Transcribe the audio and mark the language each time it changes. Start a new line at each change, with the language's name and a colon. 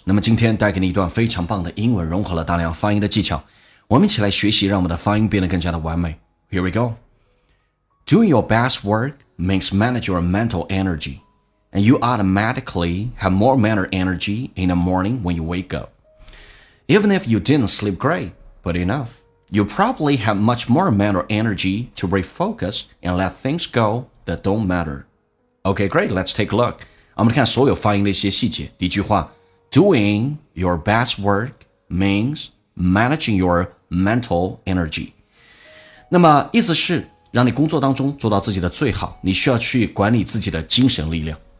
Chinese: 那么今天带给你一段非常棒的英文，融合了大量发音的技巧，我们一起来学习，让我们的发音变得更加的完美。
English: Here we go. Doing your best work makes manage your mental energy, and you automatically have more mental energy in the morning when you wake up. Even if you didn't sleep great, but enough, you probably have much more mental energy to refocus and let things go that don't matter. Okay, great, let's take a look.
Chinese: 我们看所有发音的一些细节。第一句话
English: Doing your best work means managing your mental energy.
Chinese: 那么意思是让你工作当中做到自己的最好，你需要去管理自己的精神力量。